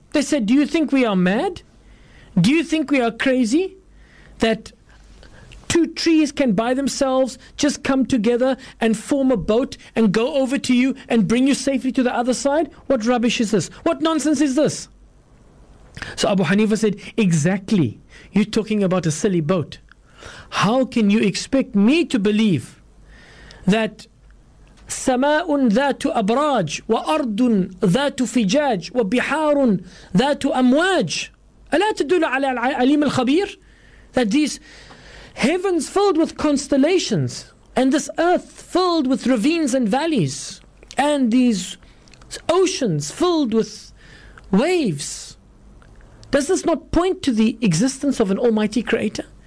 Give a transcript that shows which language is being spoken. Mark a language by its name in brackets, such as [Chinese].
[English] They said, do you think we are mad? Do you think we are crazy that two trees can by themselves just come together and form a boat and go over to you and bring you safely to the other side? What rubbish is this? What nonsense is this? So Abu Hanifa said, exactly. You're talking about a silly boat. How can you expect me to believe that [Arabic] سَمَاءٌ ذَاتُ أَبْرَاجِ وَأَرْضٌ ذَاتُ فِجَاجِ وَبِحَارٌ ذَاتُ أَمْوَاجِ أَلَا تَدُلُ عَلَى الْعَلِيمِ الْخَبِيرِ? [English] That these heavens filled with constellations and this earth filled with ravines and valleys and these oceans filled with waves, does this not point to the existence of an almighty creator?